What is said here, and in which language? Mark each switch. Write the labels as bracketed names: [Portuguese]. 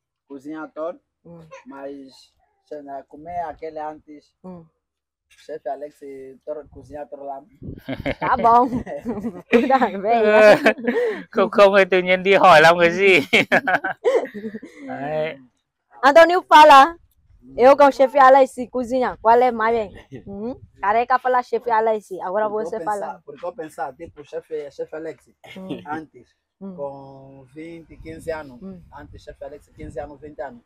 [Portuguese] Cozinha todo, mas se não comer aquele antes, chefe Alex cozinha todo lá. Tá bom. Cuida bem. [Vietnamese] Không, tự nhiên đi hỏi làm cái gì. [Portuguese] Antônio fala, eu com chefe Alex cozinha, qual é mais bem? Careca fala chefe Alex, agora você fala. Porque eu pensava, tipo, chefe Alex, antes. Com 20, 15 anos. Antes, chefe Alex, 15 anos, 20 anos.